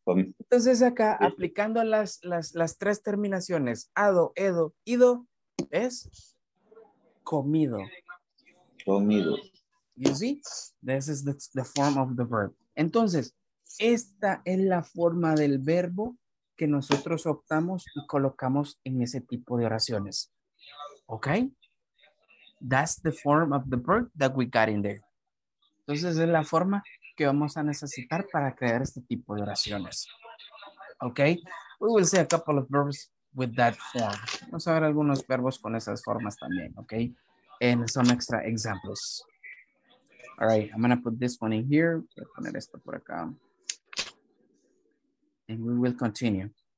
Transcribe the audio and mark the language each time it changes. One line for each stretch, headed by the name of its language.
Spanish: Entonces acá, aplicando las tres terminaciones, ado, edo, ido, es comido. Comido.
English: You see? This is the form of the verb.
Spanish: Entonces, esta es la forma del verbo que nosotros optamos y colocamos en ese tipo de oraciones.
English: Okay? That's the form of the verb that we got in there.
Spanish: Entonces, es la forma que vamos a necesitar para crear este tipo de oraciones.
English: Okay? We will see a couple of verbs with that form.
Spanish: Vamos a ver algunos verbos con esas formas también,
English: okay? And some extra examples. All right, I'm gonna put this one in here.
Spanish: Voy a poner esto por acá.
English: And we will continue.